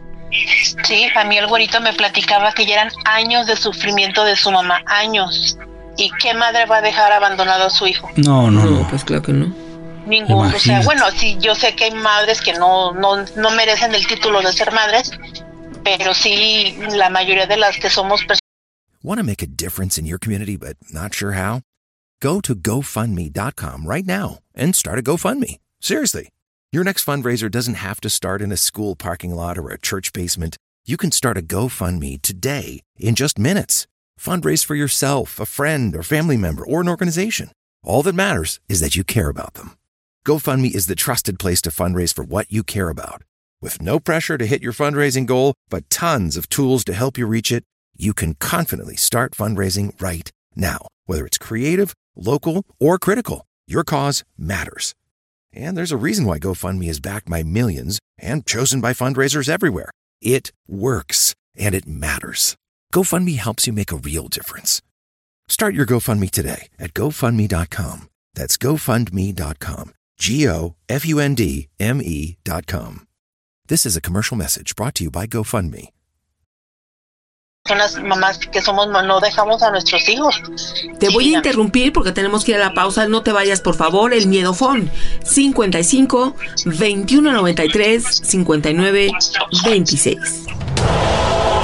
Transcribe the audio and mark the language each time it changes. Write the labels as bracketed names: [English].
[Spanish] Sí, a mí el güerito me platicaba que ya eran años de sufrimiento de su mamá, años. ¿Y qué madre va a dejar abandonado a su hijo? No, pues claro que no. Ninguno. Imagínate. O sea, bueno, sí, yo sé que hay madres que no merecen el título de ser madres, pero sí, la mayoría de las que somos personas. [English] Want to make a difference in your community but not sure how? Go to GoFundMe.com right now and start a GoFundMe. Seriously. Your next fundraiser doesn't have to start in a school parking lot or a church basement. You can start a GoFundMe today in just minutes. Fundraise for yourself, a friend, or family member, or an organization. All that matters is that you care about them. GoFundMe is the trusted place to fundraise for what you care about. With no pressure to hit your fundraising goal, but tons of tools to help you reach it, you can confidently start fundraising right now. Whether it's creative, local, or critical, your cause matters. And there's a reason why GoFundMe is backed by millions and chosen by fundraisers everywhere. It works, and it matters. GoFundMe helps you make a real difference. Start your GoFundMe today at GoFundMe.com. That's GoFundMe.com. GoFundMe.com. This is a commercial message brought to you by GoFundMe. [Spanish] Son las mamás que somos, no dejamos a nuestros hijos. Te voy a interrumpir porque tenemos que ir a la pausa. No te vayas, por favor. El Miedofón, 55-2193-5926.